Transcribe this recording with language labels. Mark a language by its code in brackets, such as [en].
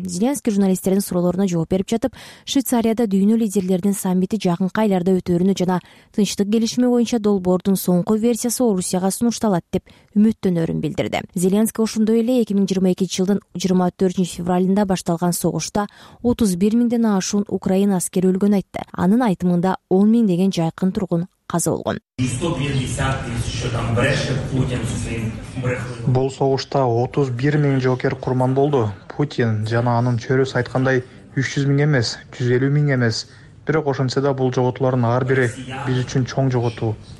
[ky] Зеленский журналисттердин суроолоруна жооп берип жатып, Швейцарияда дүйнө лидерлердин саммити жакынкы айларда өтөрүнү жана тынчтык келишими боюнча долбоордун соңку версиясы Орусияга сунушталат деп үмүттөнөрүн билдирди. Зеленский ошондой эле 2022 жылдын 24 февралында башталган согушта 31 миңден ашуун Украина аскери өлгөнүн айтты. Анын айтымында 10 миң деген жакын тургун каза болгон. [ru] 150 тысяч там брешет Путин своим брехом. [ky] Бул согушта 31 миң жоокер курман болду. Путин жана анын чөйрөсү айткандай 300 миң эмес, 150 миң эмес. Бирок ошентсе да бул жоготуулардын ар бири биз үчүн чоң жоготуу.